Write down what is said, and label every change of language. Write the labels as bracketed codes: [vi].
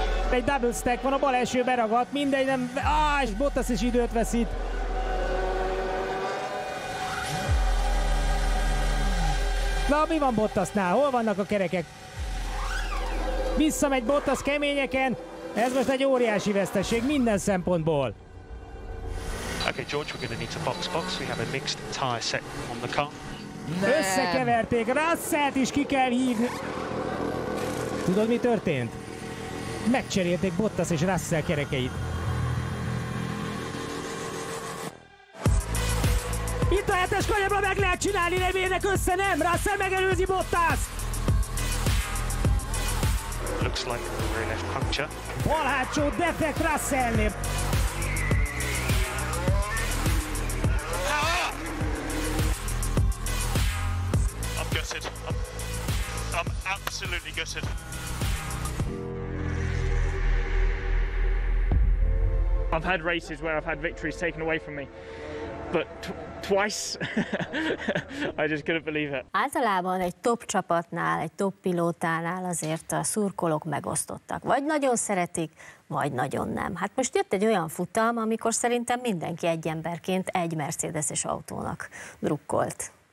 [hu] Egy double stack van, a bal első beragadt, mindegy, nem... és Bottas is időt veszít. Na, mi van Bottasnál? Hol vannak a kerekek? Visszamegy Bottas keményeken. Ez most egy óriási veszteség minden szempontból. [en] Okay, George, we're going to need to box. We have a mixed tire set on the car. [hu] Nem. Összekeverték, Russellt is ki kell hívni. Tudod, mi történt? Megcserélték Bottas és Russell kerekeit. Itt a hetes kanyarba meg lehet csinálni, nem érnek össze, nem? Russell megelőzi Bottas! [en] Looks like a rear left puncture. [hu] Bal hátsó defekt Russellnél. [en] I'm gutted. I'm absolutely gutted. I've had races where I've had victories taken away from me, but twice, I just couldn't believe it. [hu] Általában egy top csapatnál, egy top pilótánál azért a szurkolók megosztottak. Vagy nagyon szeretik, vagy nagyon nem. Hát most jött egy olyan futam, amikor szerintem mindenki egy emberként egy Mercedes-es autónak drukkolt.